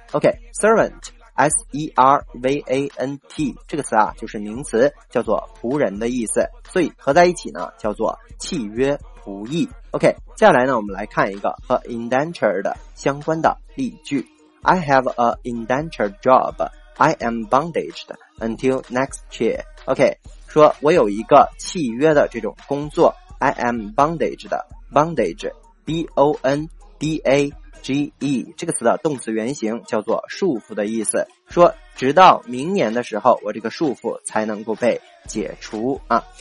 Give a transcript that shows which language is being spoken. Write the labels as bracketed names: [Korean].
[Chinese] OK, servant, servant, 这个词啊就是名词，叫做仆人的意思，所以合在一起呢叫做契约仆役。 OK, 接下来呢我们来看一个和 indentured 相关的例句。 [English] I have a indentured job. I am bondaged until next year. [Chinese] OK, 说我有一个契约的这种工作。 [English] I am bondaged. [Chinese] Bondage, B-O-N-D-A-G-E, 这个词的动词原型叫做束缚的意思。说直到明年的时候，我这个束缚才能够被解除啊。